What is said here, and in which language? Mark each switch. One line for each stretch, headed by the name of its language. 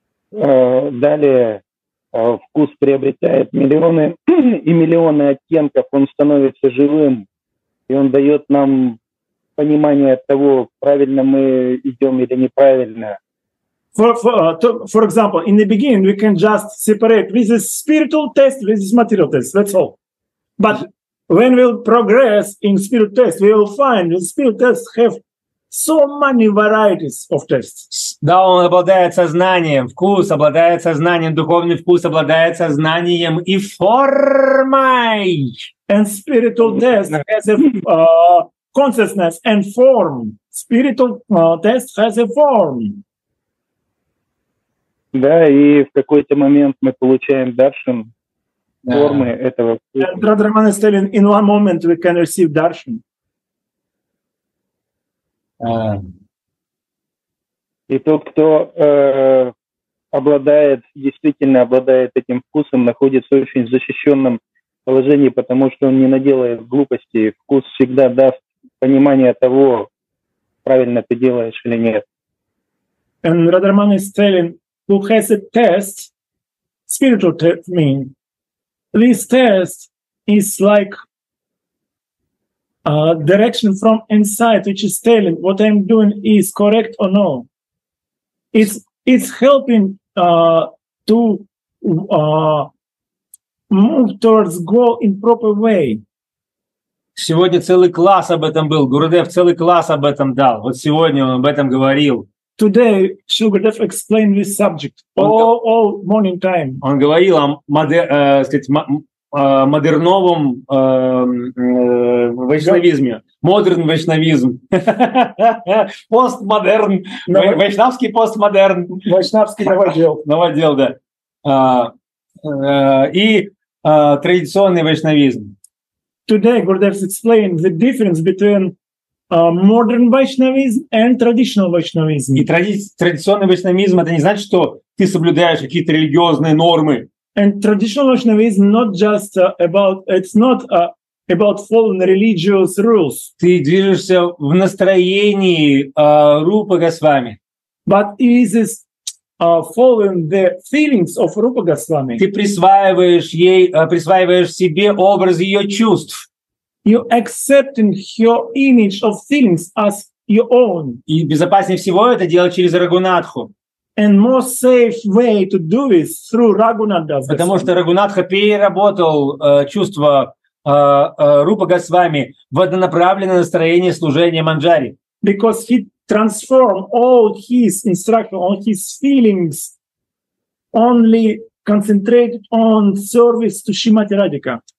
Russian: Далее вкус приобретает миллионы и миллионы оттенков. Он становится живым, и он дает нам понимание того, правильно мы идем или неправильно.
English: For example, in the beginning, we can just separate this is spiritual test, this is material test, that's all. But when we'll progress in spiritual test, we will find the spiritual tests have so many varieties of tests.
Russian: Да, он обладает сознанием, вкус обладает сознанием, духовный вкус обладает сознанием и формой.
English: And spiritual test has a consciousness and form. Spiritual test has a form.
Russian: Да, и в какой-то момент мы получаем даршан, формы этого.
English: Brother Raman is telling, in one moment we can receive darshan.
Russian: И тот, кто обладает, действительно обладает этим вкусом, находится в очень защищенном положении, потому что он не наделает глупостей. Вкус всегда даст понимание того, правильно ты делаешь или нет.
English: And Brother Raman is telling, who has a test, spiritual test, mean this test is like a direction from inside, which is telling what I'm doing is correct or no. It's helping to move towards goal in proper way.
Russian: Сегодня целый класс об этом был. Гурудев целый класс об этом дал. Вот сегодня он об этом говорил.
English: Today, Shugadev explained this subject all morning time.
Russian: Он говорил о модерновом вайшнавизме. Модерн вайшнавизм. Постмодерн. Вайшнавский постмодерн. Вайшнавский новодел. Новодел, да. И традиционный вайшнавизм.
English: Today Gurdev explained the difference between modern Vaishnavism and traditional Vaishnavism.
Russian: И традиционный вайшнавизм — это не значит, что ты соблюдаешь какие-то религиозные нормы.
English: And traditional Vaishnavism not just about, it's not about following religious rules.
Russian: Ты движешься в настроении Рупа Госвами.
English: But it is following the feelings of Rupa Goswami.
Russian: Ты присваиваешь ей, присваиваешь себе образ ее чувств.
English: You accepting her image of feelings as your own.
Russian: И безопаснее всего это делать через Рагунатху.
English: And more safe way to do this through Raghunadas.
Russian: Потому что Рагунатха переработал чувства Рупа Госвами в однонаправленное настроение служения Манджари.
English: Because he transform all his instruction, all his feelings, only concentrated on service to Shrimati Radhika.